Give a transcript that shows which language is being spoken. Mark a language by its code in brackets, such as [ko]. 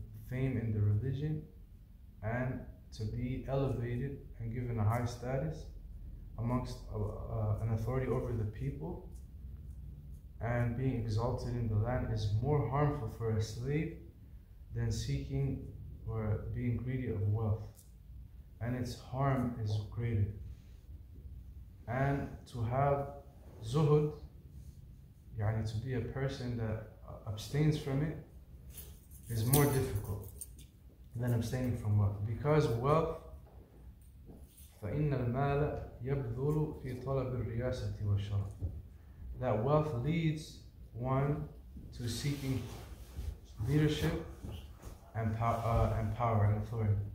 [en] fame in the religion and to be elevated and given a high status amongst an authority over the people and being exalted in the land is more harmful for a slave than seeking or being greedy of wealth, and its harm is greater. And to have zuhud, to be a person that abstains from it, is more difficult than abstaining from wealth. Because wealth, [ar] فَإِنَّ الْمَالَ يَبْذُلُ فِي طَلَبِ الرِّيَاسَةِ وَالشَّرَفِ. [en] That wealth leads one to seeking leadership and power and authority.